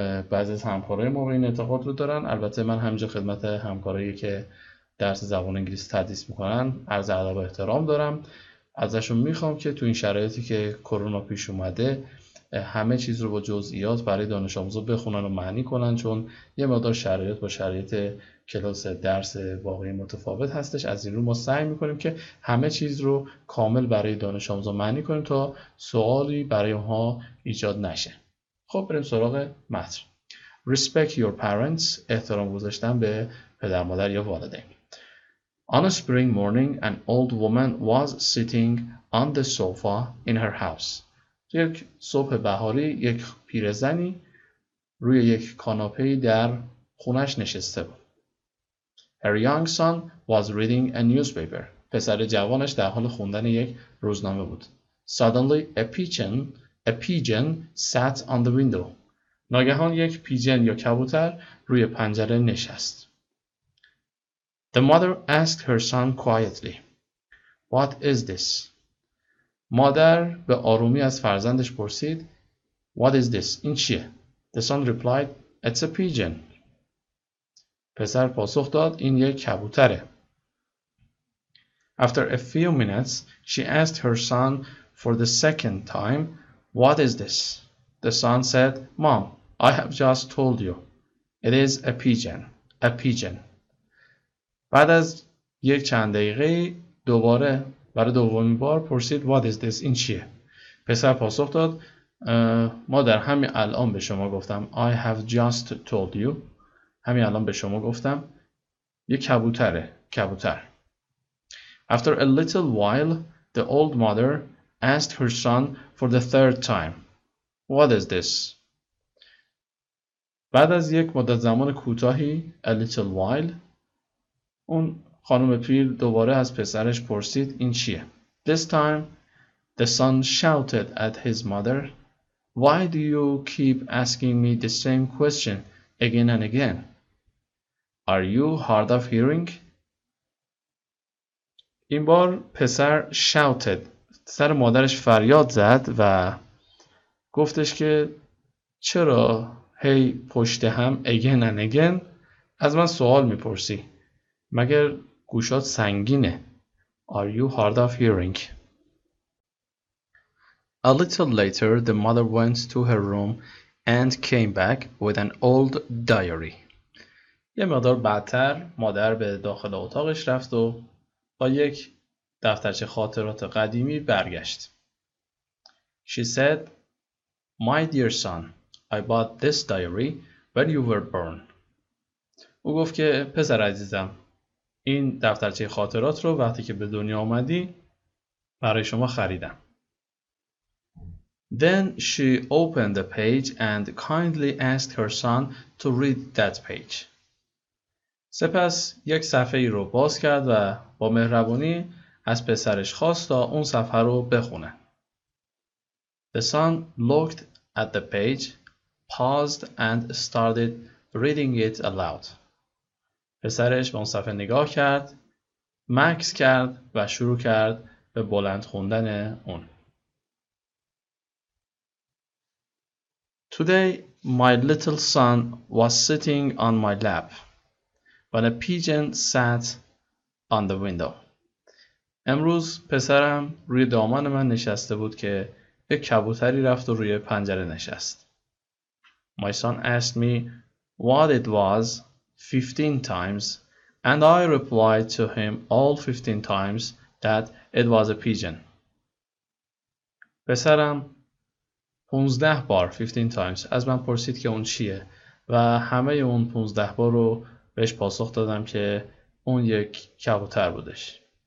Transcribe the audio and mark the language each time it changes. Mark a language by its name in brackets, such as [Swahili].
[Persian] بعضی از همکارای ما این اعتقاد رو دارن. البته من همینجا خدمت همکارایی که درس زبان انگلیسی تدریس میکنن عرض ادب و احترام دارم، ازشون میخوام که تو این شرایطی که کرونا پیش اومده همه چیز رو با جزئیات برای دانش آموزا بخونن و معنی کنن، چون یه مقدار شرایط با شرایط کلاس درس واقعی متفاوت هستش. از این رو ما سعی میکنیم که همه چیز رو کامل برای دانش آموزا معنی کنیم تا سوالی برای اونها ایجاد نشه. خب بریم سراغ متن. [English] Respect your parents، [Persian] احترام گذاشتن به پدر مادر یا والدین. [English] On a spring morning an old woman was sitting on the sofa in her house. [Persian] یک صبح بهاری یک پیرزنی روی یک کاناپه در خونش نشسته بود. [English] Her young son was reading a newspaper. [Persian] پسر جوانش در حال خوندن یک روزنامه بود. [English] Suddenly a pigeon sat on the window. [Persian] ناگهان یک پیجن یا کبوتر روی پنجره نشست. [English] The mother asked her son quietly, "What is this?" [Persian] مادر به آرومی از فرزندش پرسید، [English] "What is this?" [Persian] این چیه؟ [English] The son replied, "It's a pigeon." [Persian] پسر پاسخ داد، این یک کبوتره. [English] After a few minutes, she asked her son for the second time, "What is this?" The son said, "Mom, I have just told you. It is a pigeon. A pigeon." [Persian] بعد از یک چند دقیقه دوباره برای دومین بار پرسید، [English] "What is this?" [Persian] این چیه؟ پسر پاسخ داد، "مادر همین الان به شما گفتم. [English] I have just told you." [Persian] همین الان به شما گفتم. یک کبوتره. کبوتر. [English] After a little while, the old mother asked her son for the third time, "What is this?" [Persian] بعد از یک مدت زمان کوتاهی [English] a little while [Persian] اون خانم پیر دوباره از پسرش پرسید این چیه؟ [English] This time the son shouted at his mother, "Why do you keep asking me the same question again and again? Are you hard of hearing?" [Persian] این بار پسر [English] shouted [Persian] سر مادرش فریاد زد و گفتش که چرا هی پشت هم [English] again and again [Persian] از من سوال میپرسی؟ مگر گوشات سنگینه؟ [English] Are you hard of hearing? A little later the mother went to her room and came back with an old diary. [Persian] یه مقدار بعدتر مادر به داخل اتاقش رفت و با یک دفترچه خاطرات قدیمی برگشت. [English] She said, "My dear son, I bought this diary when you were born." [Persian] او گفت که پسر عزیزم، این دفترچه خاطرات رو وقتی که به دنیا آمدی برای شما خریدم. [English] Then she opened the page and kindly asked her son to read that page. [Persian] سپس یک صفحه ای رو باز کرد و با مهربونی از پسرش خواست تا اون صفحه رو بخونه. [English] The son looked at the page, paused and started reading it aloud. [Persian] پسرش به اون صفحه نگاه کرد، مکث کرد و شروع کرد به بلند خوندن اون. [English] Today my little son was sitting on my lap when a pigeon sat on the window. [Persian] امروز پسرم روی دامن من نشسته بود که یک کبوتری رفت و روی پنجره نشست. [English] My son asked me what it was 15 times and I replied to him all 15 times that it was a pigeon. [Persian] پسرم 15 بار [English] 15 times [Persian] از من پرسید که اون چیه و همه اون 15 بار رو بهش پاسخ دادم که اون یک کبوتر بودش.